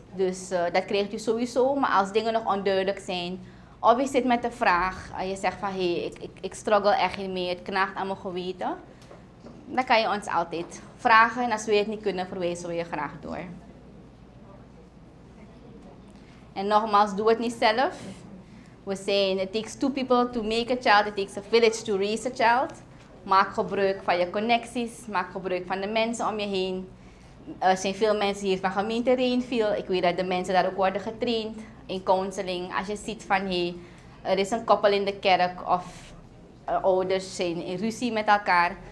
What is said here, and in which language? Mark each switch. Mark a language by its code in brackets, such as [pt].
[nl] Dus dat krijgt u sowieso, maar als dingen nog onduidelijk zijn, of u zit met de vraag, en je zegt van, hey, ik struggle echt niet meer, het knaagt aan mijn geweten, dan kan je ons altijd vragen en als we het niet kunnen, verwijzen we je graag door. En nogmaals, doe het niet zelf. We zijn, [en] it takes two people to make a child, it takes a village to raise a child. [nl] Maak gebruik van je connecties, maak gebruik van de mensen om je heen. Er zijn veel mensen hier van gemeente Rainville. Ik weet dat de mensen daar ook worden getraind in counseling. Als je ziet van, hey, er is een koppel in de kerk of ouders zijn in ruzie met elkaar.